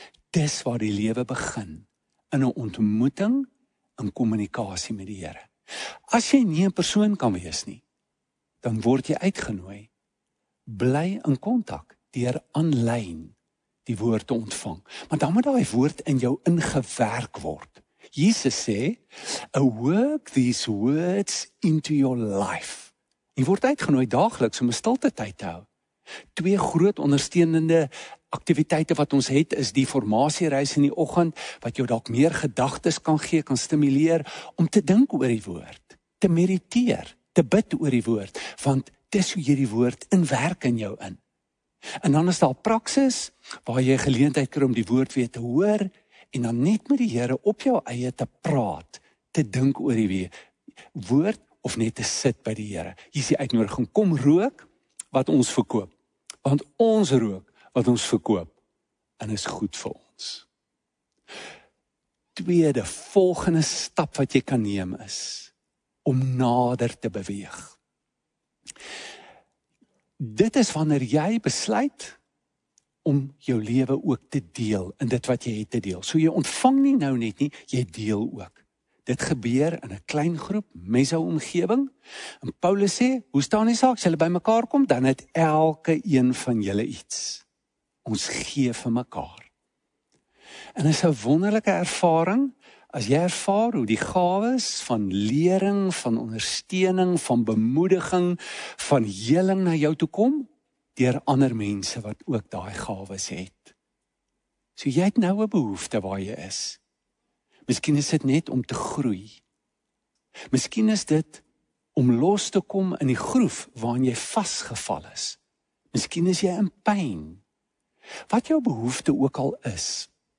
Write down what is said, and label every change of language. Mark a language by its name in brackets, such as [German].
[Afrikaans] Dis waar die lewe begin. In 'n ontmoeting, in kommunikasie met die Here. As jy nie 'n persoon kan wees nie, dan word jy uitgenooi. Bly in kontak deur aanlyn die woord te ontvang. Maar dan moet daai woord in jou ingewerk word. [English] Jesus sê, "Work these words into your life." [Afrikaans] Jy word uitgenooi daagliks om 'n stilte tyd te hou. Twee groot ondersteunende aktiwiteite wat ons het is die formasiereis in die oggend wat jou dalk meer gedagtes kan gee, kan stimuleer om te dink oor die woord, te mediteer, te bid oor die woord, want dis hoe jy die woord in werk in jou in. En dan is daar praksis waar jy geleentheid kry om die woord weer te hoor en dan net met die Here op jou eie te praat, te dink oor die woord of net te sit by die Here. Hier is die uitnodiging, kom rook wat ons verkoop. Want ons rook wat ons verkoop en is goed vir ons. Tweede, volgende stap wat jy kan neem is om nader te beweeg. Dit is wanneer jy besluit om jou lewe ook te deel en dit wat jy het te deel. So jy ontvang nie nou net nie, jy deel ook. Dit gebeur in 'n klein groep, mesou omgewing. En Paulus sê, hoe staan die saak as hulle by mekaar kom, dan het elke een van julle iets. Ons gee vir mekaar. En dit is 'n wonderlike ervaring as jy ervaar hoe die gawes van lering, van ondersteuning, van bemoediging, van heling na jou toe kom deur ander mense wat ook daai gawes het. So jy het nou 'n behoefte waar jy is. Miskien is dit net om te groei. Miskien is dit om los te kom in die groef waarin jy vasgeval is. Miskien is jy in pyn. Wat jou behoefte ook al is.